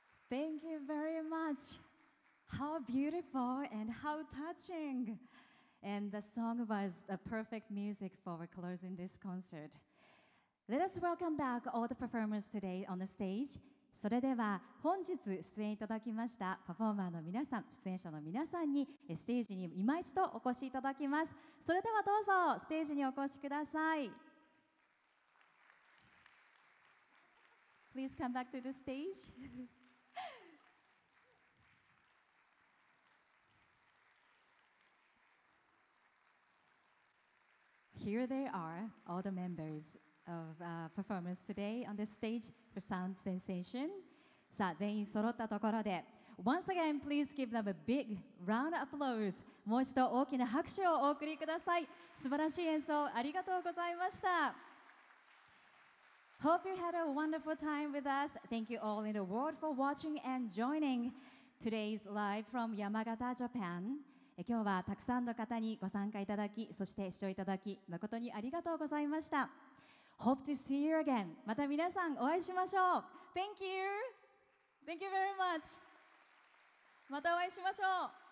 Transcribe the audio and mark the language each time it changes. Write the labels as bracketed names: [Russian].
[English] Thank you very much. How beautiful and how touching. And the song was the perfect music for closing this concert. Let us welcome back all the performers today on the stage. [Japanese] それでは本日出演いただきましたパフォーマーの皆さん、出演者の皆さんにステージに今一度お越しいただきます。それではどうぞステージにお越しください。 [English] Please come back to the stage. Here they are, all the members of performance today on the stage for Sound Sensation. [Japanese] さあ、全員揃ったところで、 [English] Once again, please give them a big round of applause. [Japanese] もう一度大きな拍手をお送りください。素晴らしい演奏ありがとうございました。 [English] Hope you had a wonderful time with us. Thank you all in the world for watching and joining today's live from Yamagata, Japan. [Japanese] 今日はたくさんの方にご参加いただき、そして視聴いただき、誠にありがとうございました。 [English] Hope to see you again. [Japanese] また皆さんお会いしましょう。 [English] Thank you. Thank you very much. [Japanese] またお会いしましょう。